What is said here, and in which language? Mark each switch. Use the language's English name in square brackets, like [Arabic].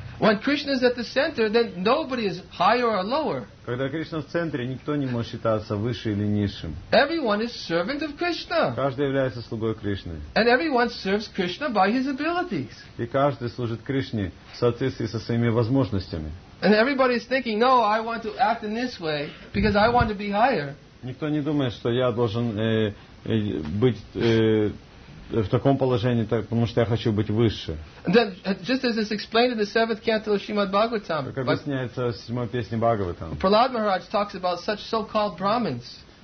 [English] When Krishna is at the center, then nobody is higher or lower. [Russian] Когда Кришна в центре, никто не может считаться выше или низшим. [English] Everyone is servant of Krishna. [Russian] Каждый является слугой Кришны. [English] And everyone serves Krishna by his abilities. [Russian] И каждый служит Кришне в соответствии со своими возможностями. [English] And everybody is thinking, no, I want to act in this way because I want to be higher. [Russian] Никто не думает, что я должен быть в таком положении, так, потому что я хочу быть выше. [English] Then, just as is explained in the seventh canto of Shrimad Bhagavatam. [Russian] Как объясняется в седьмой песне Бхагаватам. [English] Prahlad Maharaj talks about such so-called brahmins.